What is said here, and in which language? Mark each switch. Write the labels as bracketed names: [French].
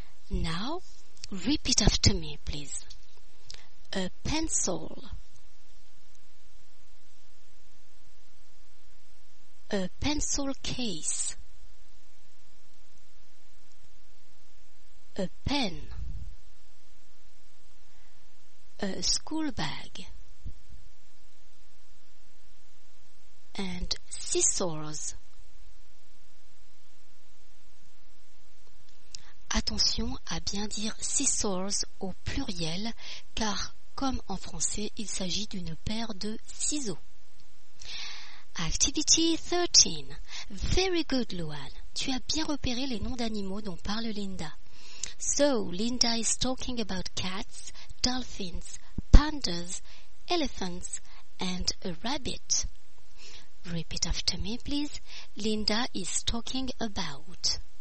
[English] Now, repeat after me, please. A pencil, a pencil case, a pen, a school bag, and scissors. [French] Attention à bien dire scissors au pluriel, car comme en français, il s'agit d'une paire de ciseaux. [English] Activity 13. Very good, Luan. [French] Tu as bien repéré les noms d'animaux dont parle Linda. [English] So, Linda is talking about cats, dolphins, pandas, elephants, and a rabbit. Repeat after me, please. Linda is talking about...